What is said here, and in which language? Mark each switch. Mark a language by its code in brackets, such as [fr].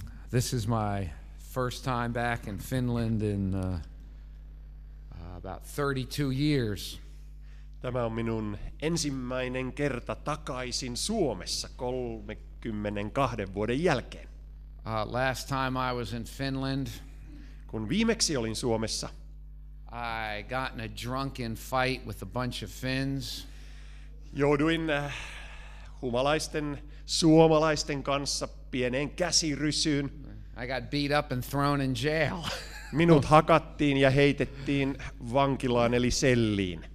[en] This is my first time back in Finland in about 32 years. [fi] Tämä on minun ensimmäinen kerta takaisin Suomessa 32 vuoden jälkeen. [en] Last time I was in Finland, [fi] kun viimeksi olin Suomessa, [en] I got in a drunken fight with a bunch of Finns. [fi] Jouduin humalaisten suomalaisten kanssa pieneen käsirysyyn. [en] I got beat up and thrown in jail. [fi] Minut hakattiin ja heitettiin vankilaan eli selliin.